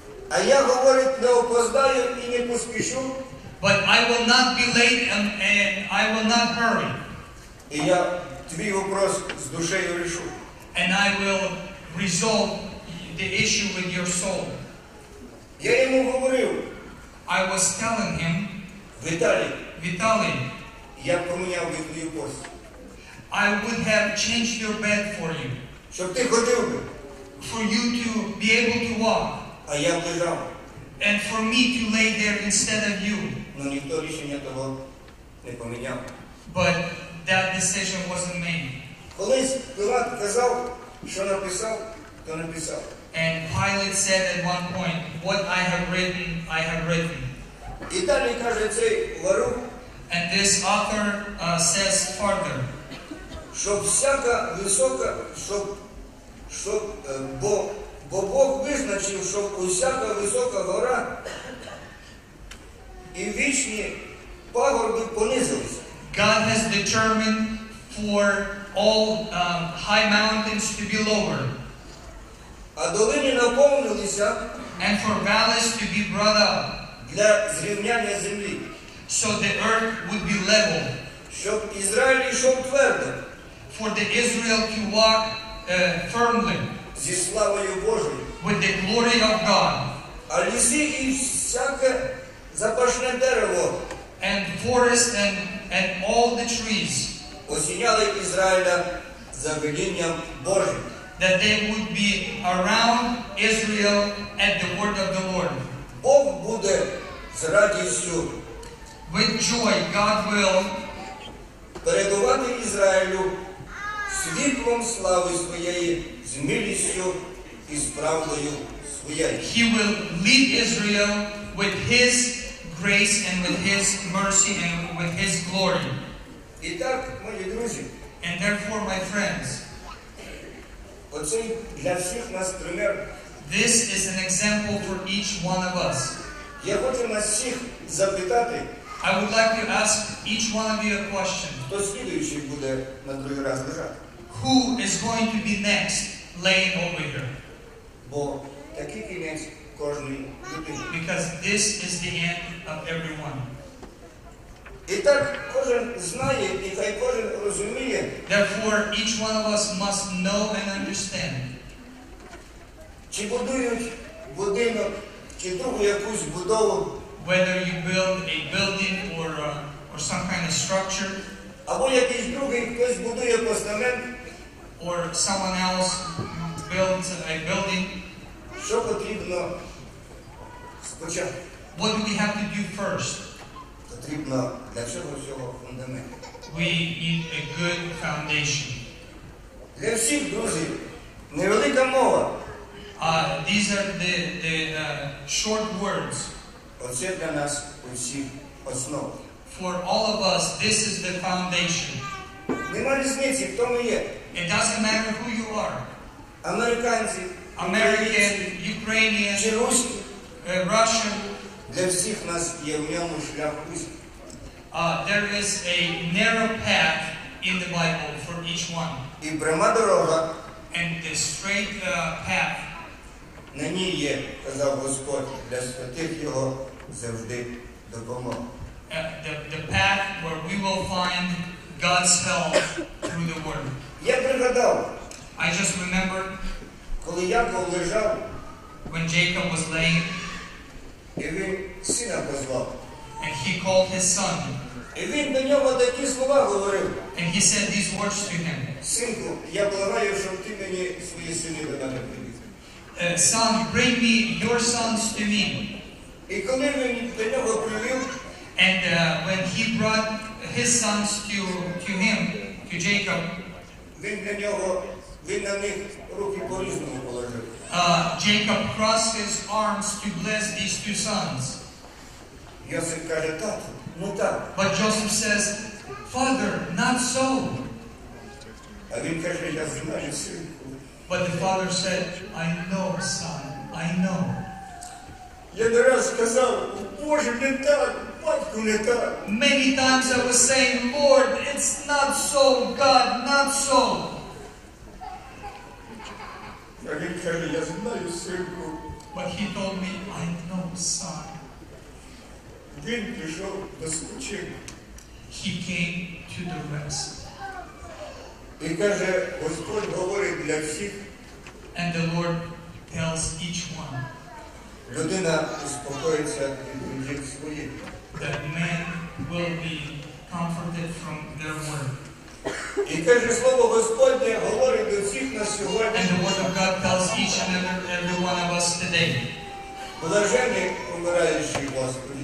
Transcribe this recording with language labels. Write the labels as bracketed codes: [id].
[uk] А я говорить не опоздаю і не поспішу. [en] But I will not be late and I will not hurry. [uk] І я твій вопрос з душею рішу. [en] And I will resolve the issue with your soul. [uk] Я йому говорив. [en] I was telling him, [uk] Віталій, я поміняв би твій пост. [en] I would have changed your bed for you. [uk] Щоб ти ходив би. [en] For you to be able to walk. [uk] А я лежав. [en] And for me to lay there instead of you. [uk] Но ніхто рішення того не поміняв. [en] But that decision wasn't made. [uk] Колись Пілат казав, що написав, то написав. [en] And Pilate said at one point, what I have written, I have written. [uk] І далі каже цей ворог. [en] And this author says further. [uk] Щоб всяка висока, щоб Бог визначив, щоб усяка висока гора і вічні пагорби понизилися. [en] God has determined for all high mountains to be lower. [uk] А долини наповнилися. [en] And for valleys to be brought up. [uk] Для зрівняння землі. [en] So the earth would be level. [uk] Щоб Ізраїль йшов твердо. [en] For the Israel to walk firmly [uk] зі славою Божою, [en] with the glory of God. [uk] А ліси і всяке запашне дерево, [en] and forests and all the trees [uk] осіняли Ізраїля за видінням Божим. [en] That they would be around Israel at the word of the Lord. [uk] Бог буде з радістю. [en] With joy, God will [uk] передувати Ізраїлю світлом слави своєї, з милістю і з правдою своєї. [en] He will lead Israel with his grace and with his mercy and with his glory. [uk] І так, мої друзі, [en] and therefore, my friends, [uk] оце для всіх нас пример. [en] This is an example for each one of us. [uk] Я хочу нас всіх запитати. [en] I would like to ask each one of you a question. [uk] Хто слідуючий буде на другий раз лежати? [en] Who is going to be next laying over here? [uk] Бо такий кінець кожної людини. [en] Because this is the end of everyone. [uk] І так кожен знає, і хай кожен розуміє. [en] Therefore, each one of us must know and understand. [uk] Чи будують будинок, чи другу якусь будову. [en] Whether you build a building or some kind of structure. [uk] Або якийсь другий, хтось будує постамент. [en] Or someone else builds a building. [uk] Що потрібно спочатку? [en] What do we have to do first? [uk] Потрібно для всього цього фундамент. [en] We need a good foundation. [uk] Для всіх, друзі, невелика мова. [en] These are the short words. [uk] Оце для нас усіх основа. [en] For all of us, this is the foundation. [uk] Нема різниці, хто ми є. [en] It doesn't matter who you are. [uk] Американці, [en] American, Ukrainian, [uk] чи русські, [en] Russian. [uk] Для всіх нас є в ньому шлях успіху. [en] There is a narrow path in the Bible for each one. [uk] І пряма дорога. [en] And the straight path. [uk] На ній є, казав Господь, для святих його завжди допомога. [en] The path where we will find God's help through the Word. [uk] Я пригадав. [en] I just remembered. [uk] Коли Яков лежав. [en] When Jacob was laying. [uk] І він сина позвав. [en] And he called his son. [uk] І він до нього такі слова говорив. [en] And he said these words to him. [uk] Синку, я благаю, щоб ти мені свої сини додати мені. [en] Son, bring me your sons to me. [uk] І коли він до нього привів. [en] And when he brought his sons to him, to Jacob. [uk] Він для нього, він на них руки по-різному положив. [en] Jacob crossed his arms to bless these two sons. [uk] Йосиф каже, тату, ну так. [en] But Joseph says, father, not so. [uk] А він каже, я знаю, синку. [en] But the father said, I know, son, I know. [uk] Я не раз сказав, Боже, не так, батько, не так. [en] Many times I was saying, Lord, it's not so, God, not so. [uk] А він каже, я знаю, синку. [en] But he told me, I know, son. [uk] Він прийшов до спочинку. [en] He came to the rest. [uk] І каже, Господь говорить для всіх. [en] And the Lord tells each one. [uk] Людина успокоїться від думок своїх. [en] That man will be comforted from their word. [uk] І каже, Слово Господнє говорить до всіх нас сьогодні. [en] And the word of God tells each and every one of us today. [uk] Блажені помираючі, Господи.